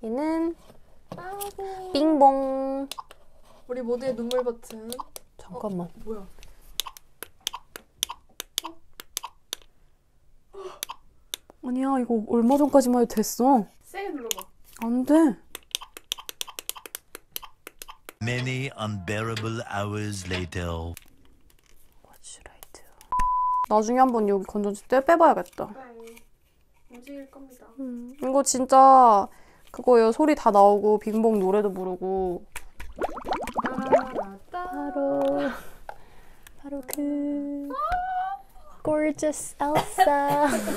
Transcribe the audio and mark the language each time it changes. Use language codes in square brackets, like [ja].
[ko] 얘는 아이고. 빙봉. 우리 모두의 눈물 버튼. 잠깐만. 뭐야? 아니야, 이거 얼마 전까지만 해도 됐어. 세게 눌러봐. 안 돼. [en] Many unbearable hours later. [ko] 나중에 한번 여기 건전지 떼 빼봐야겠다. 네. 움직일 겁니다. 이거 진짜 그거요. 소리 다 나오고 빙봉 노래도 부르고. 따라따. 바로 그 Gorgeous Elsa.